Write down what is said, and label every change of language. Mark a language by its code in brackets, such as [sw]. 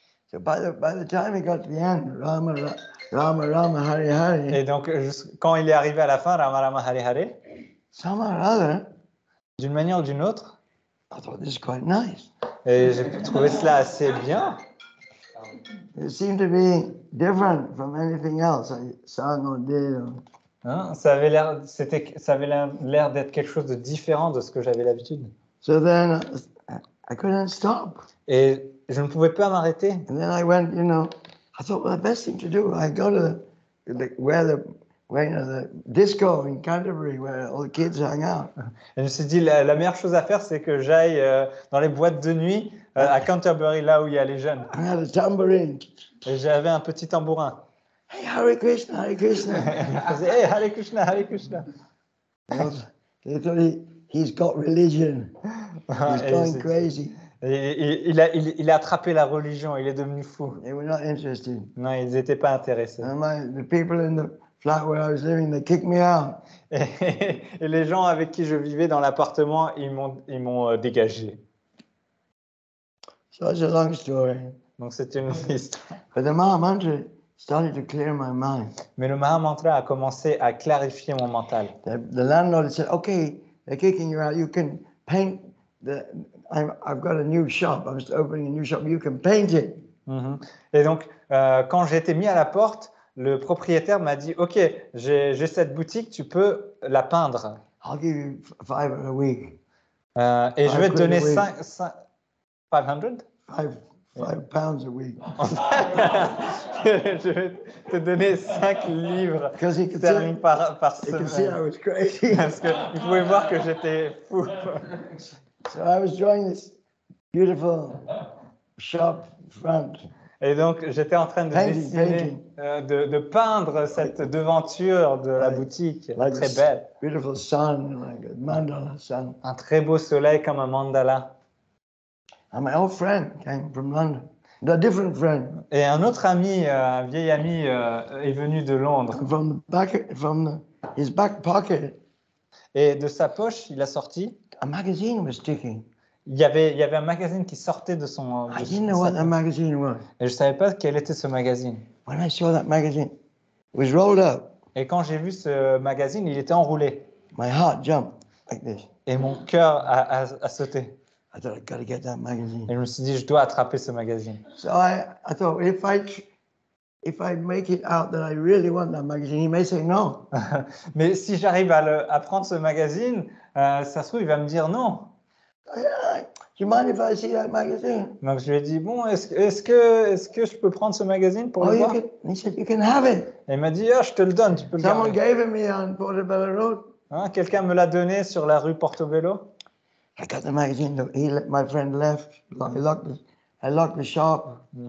[en] So by the time he got to the end, Rama, Rama, Rama, Hare, Hare. [fr] Et donc, quand il est arrivé à la fin, Rama, Rama, Hare, Hare. [en] Somehow or other. [fr] D'une manière ou d'une autre. [en] I thought this is quite nice. [fr] Et j'ai trouvé cela assez bien. [en] It seemed to be different from anything else I sang or did. [fr] Ça avait l'air d'être quelque chose de différent de ce que j'avais l'habitude. [en] So then I couldn't stop. [fr] Et je ne pouvais pas m'arrêter. [en] And then I went, you know, I thought well, the best thing to do, I go to the disco in Canterbury where all the kids hang out. [fr] Et je me suis dit la meilleure chose à faire, c'est que j'aille dans les boîtes de nuit. À Canterbury, là où il y a les jeunes. [en] I had a tambourine. [fr] Et j'avais un petit tambourin. [sa] Hey, Hare Krishna, Hare Krishna. Hey, Hare Krishna, Hare Krishna. [en] Literally, he's got religion. He's going crazy. [fr] Il a attrapé la religion, il est devenu fou. [en] They were not interested. [fr] Non, ils n'étaient pas intéressés. [en] The people in the flat where I was living, they kicked me out. [fr] Et les gens avec qui je vivais dans l'appartement, ils m'ont dégagé. [en] So it's a long story. [fr] Donc c'est une histoire. [en] But the Maha Mantra started to clear my mind. [fr] Mais le Maha Mantra a commencé à clarifier mon mental. [en] The landlord said, "Okay, they're kicking you out. You can paint the. I've got a new shop. I'm just opening a new shop. You can paint it." Mm-hmm. [fr] Et donc quand j'ai été mis à la porte, le propriétaire m'a dit, "Okay, j'ai cette boutique. Tu peux la peindre." [en] I'll give you five a week. [fr] Et [en] five [fr] je vais te donner 500 [en] Five, 5 pounds a week. [fr] Je vais te donner 5 livres sterling par semaine. [en] You can see I was crazy. [fr] Parce que vous pouvez voir que j'étais fou. [en] So I was drawing this beautiful shop front. [fr] Et donc j'étais en train de dessiner, de peindre cette devanture de la boutique, [en] like [fr] très belle. [en] Beautiful sun, like a mandala sun. [fr] Un très beau soleil comme un mandala. [en] And my old friend came from London. A different friend. [fr] Et un autre ami, un vieil ami, est venu de Londres. [en] From the back, from the, his back pocket. [fr] Et de sa poche, il a sorti. [en] A magazine was sticking. [fr] Il y avait un magazine qui sortait de son. [en] I didn't know what that magazine was. [fr] Et je savais pas quel était ce magazine. [en] When I saw that magazine, it was rolled up. [fr] Et quand j'ai vu ce magazine, il était enroulé. [en] My heart jumped like this. [fr] Et mon cœur a sauté. [en] I thought I got to get that magazine. [fr] Et je me suis dit, je dois attraper ce magazine. [en] So I thought if I make it out that I really want that magazine, he may say no. [fr] Mais si j'arrive à prendre ce magazine, ça se trouve il va me dire non. [en] Do you mind if I see that magazine? [fr] Donc je lui ai dit bon, est-ce que je peux prendre ce magazine pour le voir? [en] He said you can have it. [fr] Et il m'a dit je te le donne, tu peux le garder. [en] Someone gave me on Portobello Road. [fr] Hein, quelqu'un me l'a donné sur la rue Portobello. [en] I got the magazine. My friend left. I locked the shop.